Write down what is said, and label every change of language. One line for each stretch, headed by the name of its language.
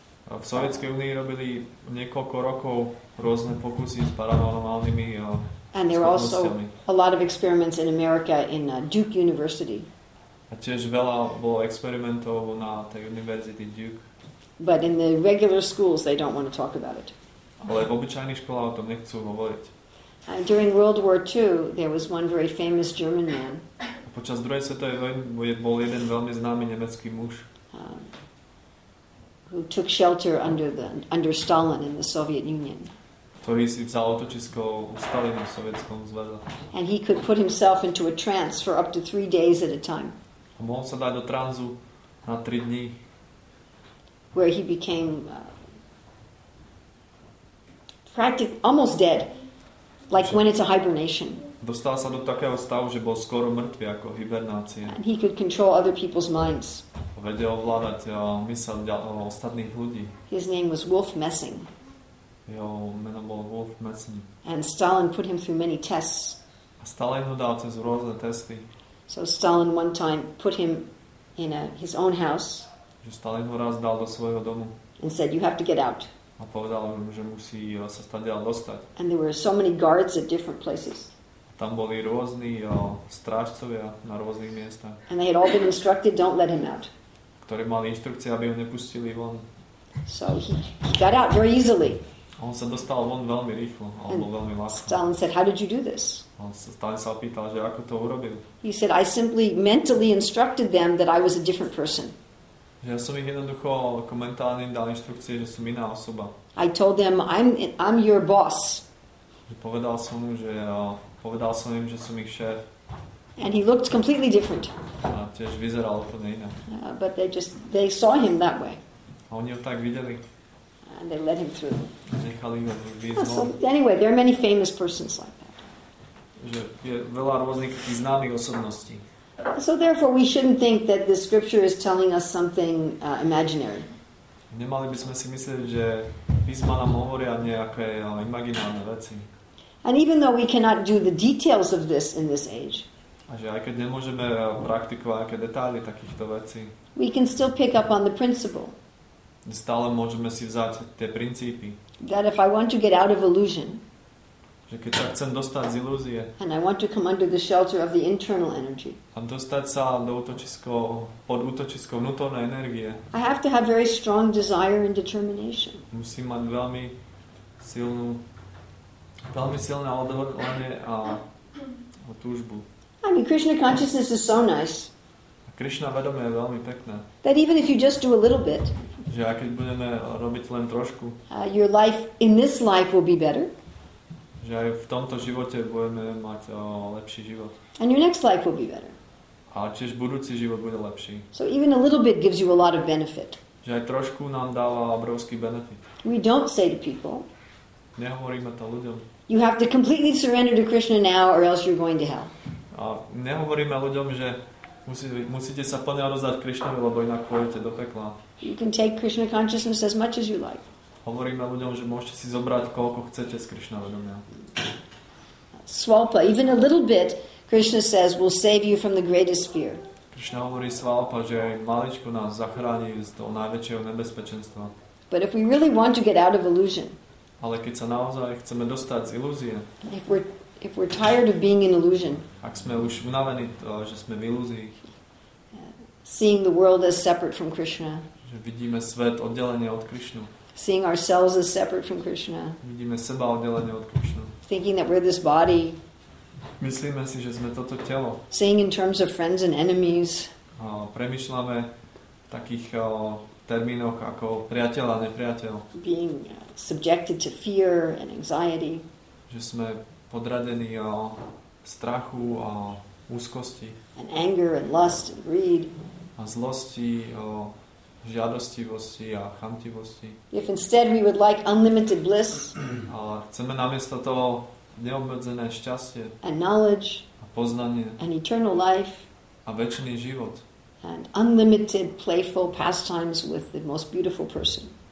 Slovak: V Sovietskej únii robili niekoľko rokov rôzne pokusy s paranormálnymi schopnosťami.
English: And there were also a lot of experiments in America in Duke University.
Slovak: A tiež veľa bolo experimentov na tej univerzite Duke.
English: But in the regular schools they don't want to talk about it.
Slovak: Ale v obyčajných školách o tom nechcú hovoriť.
English: And during World War II there was one very famous German man.
Slovak: Počas druhej svetovej vojny bol jeden veľmi známy nemecký muž.
English: Who took shelter under Stalin in the Soviet Union.
Slovak: Ktorý si vzal útočisko u Stalina v Sovietskom zväze.
English: And he could put himself into a trance for up to 3 days at a time.
Slovak: A mohol sa dať do tranzu na 3 dní.
English: Where he became practically almost dead, like when it's a hibernation.
Slovak: Dostal sa do takého stavu, že bol skoro mŕtvy ako hibernácia.
English: And he could control other people's minds.
Slovak: Vedel ovládať myseľ ostatných ľudí.
English: His name was Wolf Messing.
Slovak: Jeho meno bol Wolf Messing.
English: And Stalin put him through many tests.
Slovak: A Stalin ho dal cez rôzne testy.
English: So Stalin one time put him in his own house.
Slovak: Že Stalin ho raz dal do svojho domu.
English: And said, you have to get out.
Slovak: A povedal mu, že musí sa stadiaľ dostať.
English: And there were so many guards at different places.
Slovak: Tam boli rôzni strážcovia na rôznych miestach.
English: And they had all been instructed, don't let him out.
Slovak: Ktorí mali inštrukcie, aby ho nepustili von.
English: So he got out very easily.
Slovak: On sa dostal von veľmi rýchlo, alebo veľmi ľahko.
English: Stalin said, how did you do this?
Slovak: Stalin sa opýtal, že ako to urobil.
English: He said, I simply mentally instructed them that I was a different person.
Slovak: Ja som ich jednoducho ako mentálne dal inštrukcie, že som iná osoba.
English: I told them, I'm your boss.
Slovak: Povedal som mu, že povedal som im, že som ich šéf.
English: And he looked completely different.
Slovak: A tiež vyzeral úplne inak.
English: But they saw him that way.
Slovak: A oni ho tak videli.
English: And they let him through.
Slovak: A nechali ho vyzvol. Oh,
English: so anyway, there are many famous persons like that.
Slovak: Že je veľa rôznych známych osobností.
English: So therefore we shouldn't think that the scripture is telling us something imaginary.
Slovak: Nemali by sme si myslieť, že písma nám hovoria nejaké imaginárne veci.
English: And even though we cannot do the details of this in this age,
Slovak: A že aj keď nemôžeme praktikovať aké detaily takýchto vecí,
English: we can still pick up on the principle.
Slovak: Stále môžeme si vzať tie princípy.
English: That if I want to get out of illusion,
Slovak: že keď sa chcem dostať z ilúzie,
English: and I want to come under the shelter of the internal energy,
Slovak: a dostať sa do útočisko, pod útočisko vnútornej energie,
English: I have to have very strong desire and determination.
Slovak: Musím mať veľmi silnú, veľmi silné odhodlanie a túžbu.
English: I mean, Krishna consciousness is so nice.
Slovak: A Krishna vedomie je veľmi pekné.
English: That even if you just do a little bit,
Slovak: že aj keď budeme robiť len trošku,
English: your life in this life will be better.
Slovak: Že aj v tomto živote budeme mať lepší život.
English: And your next life will be better.
Slovak: A tiež budúci život bude lepší.
English: So even a little bit gives you a lot of benefit.
Slovak: Že aj trošku nám dáva obrovský benefit.
English: We don't say to people,
Slovak: nehovoríme to ľuďom,
English: you have to completely surrender to Krishna now or else you're going to hell.
Slovak: A nehovoríme ľuďom, že musíte sa plne rozdať Krišnovi, lebo inak pôjdete do pekla.
English: You can take Krishna consciousness as much as you like.
Slovak: Hovoríme ľuďom, že môžete si zobrať koľko chcete z Krišna vedomia.
English: Svalpa, even a little bit, Krishna says, will save you from the greatest fear.
Slovak: Krishna hovorí svalpa, že aj maličko nás zachráni z toho najväčšieho nebezpečenstva.
English: But if we really want to get out of illusion,
Slovak: ale keď sa naozaj chceme dostať z ilúzie,
English: if we're tired of being in illusion,
Slovak: ak sme už unavení, že sme v ilúzii,
English: seeing the world as separate from Krishna,
Slovak: že vidíme svet oddelený od Krishnu,
English: seeing ourselves as separate from Krishna,
Slovak: vidíme seba oddelený od Krishna,
English: thinking that we're this body,
Slovak: myslíme si, že sme toto telo,
English: seeing in terms of friends and enemies,
Slovak: premýšľame v takých termínoch ako priateľ a nepriateľ,
English: being subjected to fear and anxiety,
Slovak: že sme podradení strachu a úzkosti,
English: and anger and lust and greed,
Slovak: a zlosti, žiadostivosti a chamtivosti.
English: If instead we would like unlimited bliss,
Slovak: chceme namiesto toho neobmedzené šťastie,
English: and knowledge,
Slovak: a poznanie,
English: and eternal life,
Slovak: a večný život,
English: and unlimited playful pastimes with the most beautiful person,